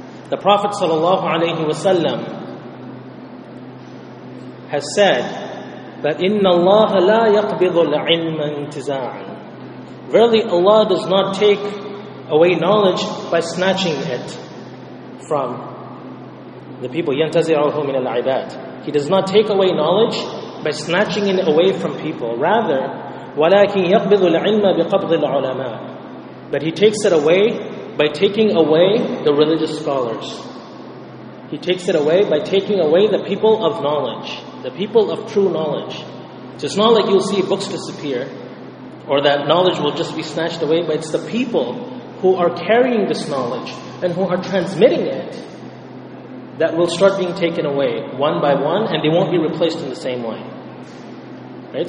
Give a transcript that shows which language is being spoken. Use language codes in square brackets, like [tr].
[en] The Prophet sallallahu alaihi wasallam has said that [ar] إِنَّ اللَّهَ لَا يَقْبِضُ الْعِلْمَ انْتِزَاعًا. [en] Verily Allah does not take away knowledge by snatching it from the people. [ar] يَنْتَزِعُهُ مِنَ الْعِبَادِ. [en] He does not take away knowledge by snatching it away from people. [ar] Rather, وَلَكِنْ يَقْبِضُ الْعِلْمَ بِقَبْضِ الْعُلَمَاءِ. [en] But he takes it away by taking away the religious scholars. He takes it away by taking away the people of knowledge, the people of true knowledge. So it's not like you'll see books disappear, or that knowledge will just be snatched away, but it's the people who are carrying this knowledge and who are transmitting it that will start being taken away one by one, and they won't be replaced in the same way. Right?